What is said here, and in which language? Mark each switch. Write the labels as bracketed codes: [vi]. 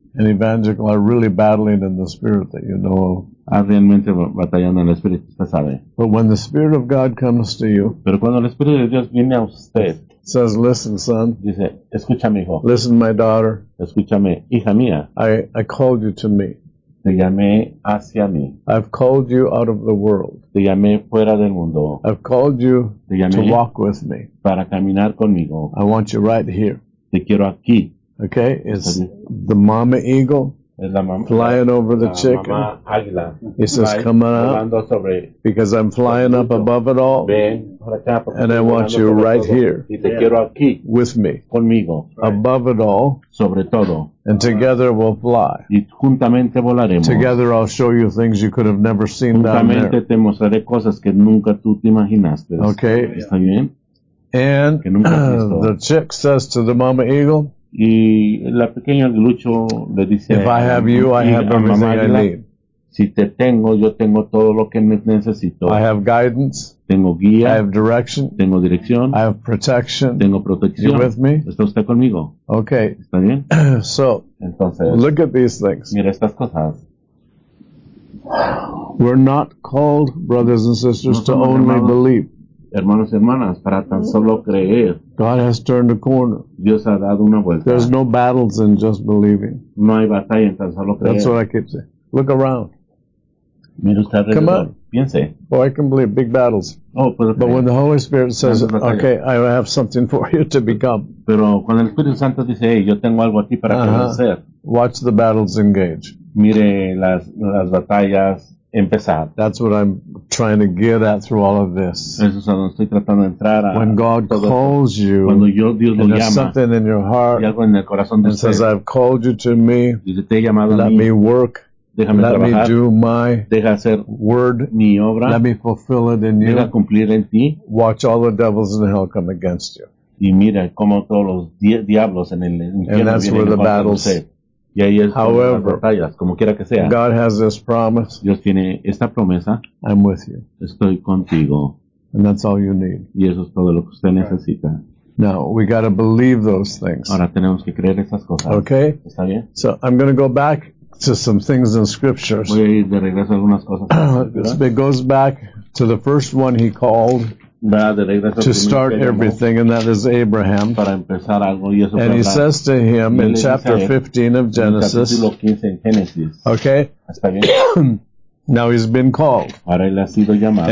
[en] and evangelical are really battling in the spirit that you know. [es] Are realmente batallando en el espíritu, usted sabe. [en] But when the spirit of God comes to you, [es] pero cuando el espíritu de Dios viene a usted, [en] says, "Listen, son." [es] Dice, escúchame, hijo. [en] Listen, my daughter. [es] Escúchame, hija mía. [en] I called you to me. [es] Te llamé hacia mí. [en] I've called you out of the world. [es] Te llamé fuera del mundo. [en] I've called you [es] te llamé [en] to walk with me. [es] Para caminar conmigo. [en] I want you right here. [es] Te quiero aquí. [en] Okay, it's the mama eagle [es] es la mama, [en] flying over the [es] la [en] chicken. [es] Mama águila. [en] He says, come on up [es] sobre [en] because I'm flying up above it all. [es] Ven por acá, por [en] and I want you right [es] todo. [en] Here [es] y te quiero aquí [en] with me [es] conmigo. [en] Above it all. [es] Sobre todo. [en] And together we'll fly. [es] Y juntamente volaremos. [en] Together I'll show you things you could have never seen [es] juntamente [en] down there. [es] Te mostraré cosas que nunca tú te imaginaste. [en] Okay. [es] ¿Está bien? [en] And the chick says to the mama eagle, [es] y la pequeña aguilucho le dice, [en] if I have you, I have everything I need. [es] Si te tengo, yo tengo todo lo que necesito. [en] I have guidance. [es] Tengo guía. [en] I have direction. [es] Tengo dirección. [en] I have protection. [es] Tengo protección. [en] You with me? [es] ¿Está usted conmigo? [en] Okay. [es] ¿Está bien? [en] So, [es] entonces, [en] look at these things. [es] Mira estas cosas. [en] We're not called, brothers and sisters, [es] no [en] to only [es] hermanos. [en] Believe. [es] Hermanos y hermanas, para tan solo creer. [en] God has turned a corner. [es] Dios ha dado una vuelta. [en] There's no battles in just believing. [es] No hay batalla en tan solo creer. [en] That's what I keep saying. Look around. [es] Mire usted alrededor. [en] Come on. [es] Piense. [en] Oh, I can believe big battles. [es] Oh, pero, [en] but when the Holy Spirit says, okay, I have something for you to become. [es] Pero cuando el Espíritu Santo dice, hey, yo tengo algo aquí para conocer. [en] Watch the battles engage. [es] Mire las batallas empezar. [en] That's what I'm trying to get at through all of this. [es] Eso es a donde estoy tratando de entrar. [en] When God calls you, [es] cuando yo, Dios lo llama, [en] something in your heart, [es] y algo en el corazón de [en] and [es] usted, [en] says, I've called you to me, [es] dice, te he llamado [en] let [es] a mí, [en] me work, [es] déjame [en] let [es] trabajar, [en] me do my [es] deja hacer [en] word, [es] mi obra, [en] let me fulfill it in [es] deja [en] you, [es] cumplir en ti, [en] watch all the devils in hell come against you. [es] Y mira como todos los diablos en el infierno [en] and that's where the battles [es] y ahí es [en] however, [es] las batallas, como quiera que sea. [en] God has this promise. [es] Dios tiene esta promesa. [en] I'm with you. [es] Estoy contigo. [en] And that's all you need. [es] Y eso es todo lo que usted necesita. [en] Now, we got to believe those things. [es] Ahora tenemos que creer esas cosas. [en] Okay? [es] ¿Está bien? [en] So, I'm going to go back to some things in scriptures. [es] Voy a ir de regreso a algunas cosas. [en] It goes back to the first one he called. To start everything, and that is Abraham. [es] Para empezar algo, y eso [en] and he says to him in chapter 15 of Genesis, okay, now he's been called. [es] Ahora él ha sido llamado.